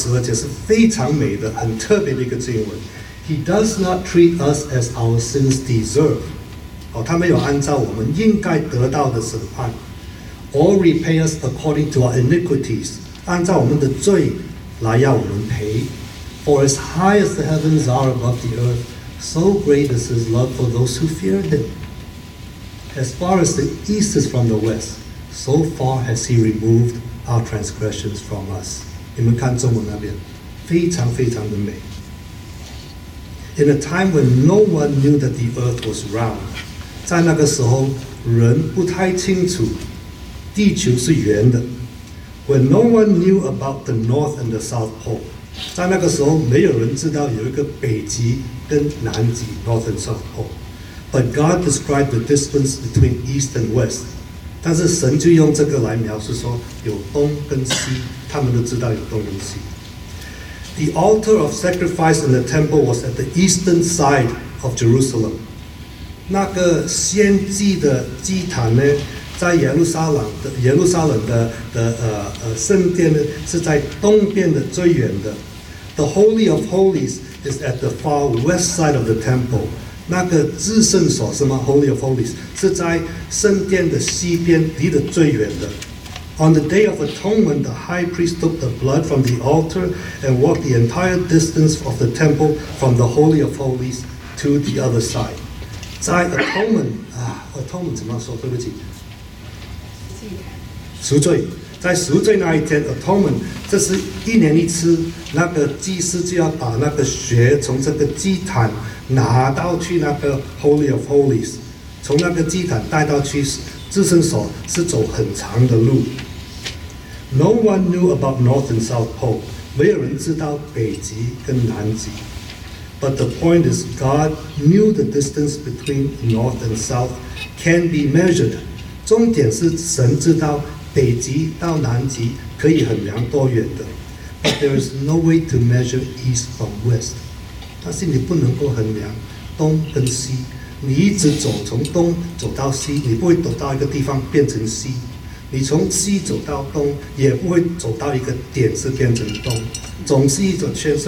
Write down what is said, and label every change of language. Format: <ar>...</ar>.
<zh>这个诗篇103篇第10章第10节到12节是非常美的，很特别的一个经文。</zh> <en>He does not treat us as our sins deserve.</en> <zh>哦，他没有按照我们应该得到的审判。</zh> <en>Or repay us according to our iniquities.</en> <zh>按照我们的罪来要我们赔。</zh> <en>For as high as the heavens are above the earth, so great is his love for those who fear him. As far as the east is from the west, so far has he removed our transgressions from us.</en> <zh>你们看中文那边,非常非常的美。</zh> <en>In a time when no one knew that the earth was round,</en> <zh>在那个时候,人不太清楚地球是圆的。</zh> <en>When no one knew about the north and the south pole,</en> <zh>在那个时候没有人知道有一个北极跟南极,</zh> <en>north and south pole. But God described the distance between east and west,</en> <zh>但是神就用这个来描述说有东跟西,他们都知道有东跟西。</zh> <en>The altar of sacrifice in the temple was at the eastern side of Jerusalem.</en> <zh>那个献祭的祭坛呢, 在耶路撒冷的圣殿是在东边的最远的。</zh> <en>The Holy of Holies is at the far west side of the temple.</en> <zh>那个至圣所什么 Holy of Holies 是在圣殿的西边，离得最远的。</zh> <en>On the Day of Atonement, the high priest took the blood from the altar and walked the entire distance of the temple from the Holy of Holies to the other side.</en> <zh>在 Atonement, 啊 ，Atonement 怎么说？对不起，赎罪。在赎罪那一天 ，Atonement 这是一年一次，那个祭司就要把那个血从这个祭坛拿到去那个 Holy of Holies， 从那个祭坛带到去。至圣所是走很长的路。</zh> <en>No one knew about North and South Pole，</en> <zh>没有人知道北极跟南极。</zh> <en>But the point is, God knew the distance between North and South can be measured。</en> <zh>重点是神知道北极到南极可以衡量多远的。</zh> <en>But there is no way to measure East from West，</en> <zh>但是你不能够衡量东跟西。你一直走，从东走到西，你不会走到一个地方变成西；你从西走到东，也不会走到一个点是变成东，总是一种圈。</zh>